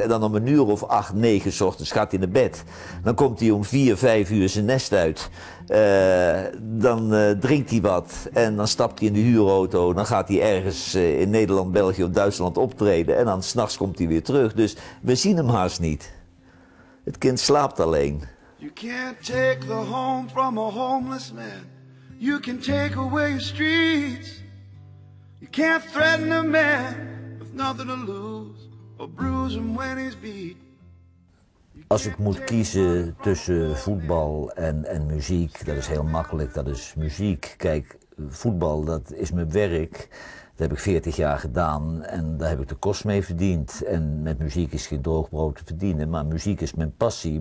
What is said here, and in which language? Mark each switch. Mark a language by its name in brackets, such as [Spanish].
[Dutch] En dan om een uur of 8, 9 ochtends gaat hij naar bed. Dan komt hij om 4, 5 uur zijn nest uit. Dan drinkt hij wat en dan stapt hij in de huurauto. Dan gaat hij ergens in Nederland, België of Duitsland optreden. En dan 's nachts komt hij weer terug. Dus we zien hem haast niet. Het kind slaapt alleen. [English] You can't take the home from a homeless man. You can take away your streets. You can't threaten a man with nothing to lose or bruise him when he's beat. [Dutch] Als ik moet kiezen tussen voetbal en muziek, dat is heel makkelijk, dat is muziek. Kijk, voetbal, dat is mijn werk. Dat heb ik 40 jaar gedaan en daar heb ik de kost mee verdiend. En met muziek is geen droogbrood te verdienen, maar muziek is mijn passie.